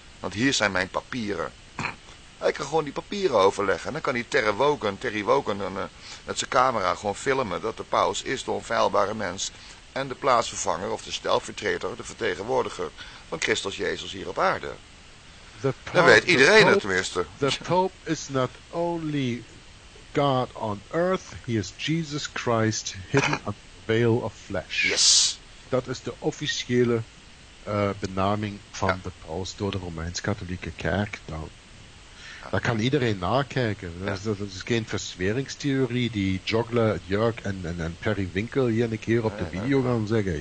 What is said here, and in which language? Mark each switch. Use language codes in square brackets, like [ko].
[nl] Want hier zijn mijn papieren. Hij kan gewoon die papieren overleggen. En dan kan die Terry Wogan met zijn camera gewoon filmen dat de paus is de onfeilbare mens. En de plaatsvervanger of de stelvertreter, de vertegenwoordiger van Christus Jezus hier op aarde. Dat weet iedereen het tenminste. [en] The Pope is not only God on earth, he is Jesus Christ hidden a veil of flesh. Yes. [nl] Dat is de officiële benaming van de paus door de Romeins-Katholieke Kerk. Daar kan iedereen nakijken. Dat is geen verzweringstheorie die Jogler, Jörg en Perry Winkel hier een keer op de video gaan zeggen.